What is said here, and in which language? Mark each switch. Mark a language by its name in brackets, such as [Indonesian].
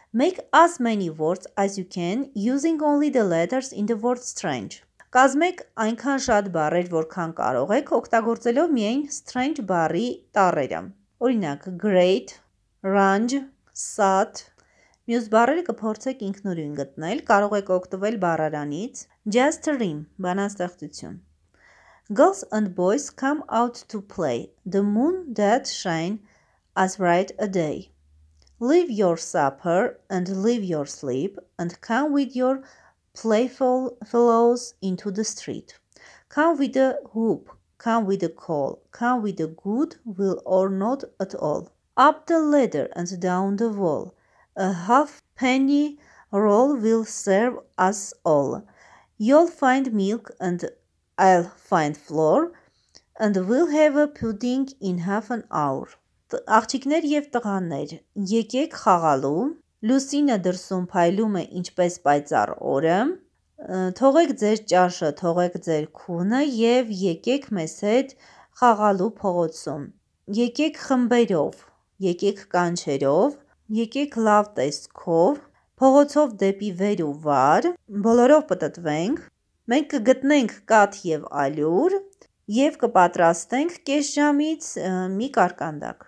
[English] Make as many words as you can using only the letters in the word strange. [Armenian] Կազմեք այնքան շատ բառեր, որքան կարող եք, օգտագործելով միայն strange բառի տառերը։ Օրինակ, great, range, sat։ Մյուս բառերը կփորձեք ինքնուրույն գտնել, կարող եք օգտվել բառարանից։ [English] Just rhyme, [Armenian] բանաստեղծություն։ [English] Girls and boys come out to play. The moon that shine as bright a day. Leave your supper and leave your sleep and come with your playful fellows into the street. Come with a whoop, come with a call, come with a good will or not at all. Up the ladder and down the wall, a half penny roll will serve us all. You'll find milk and I'll find flour and we'll have a pudding in half an hour. [Armenian] Աղջիկներ եւ տղաներ, եկեք խաղալու։ Լուսինը դրսում փայլում է ինչպես պայծառ օրը։ Թողեք ձեր ճաշը, թողեք ձեր քունը եւ եկեք մեզ հետ խաղալու փողոցում։ Եկեք խմբերով, եկեք կանչերով, եկեք լավ տեսքով, փողոցով դեպի վեր ու վար, բոլորով պատտվենք։ Մենք կգտնենք կաթ եւ ալյուր եւ կպատրաստենք կես ժամից մի կարկանդակ։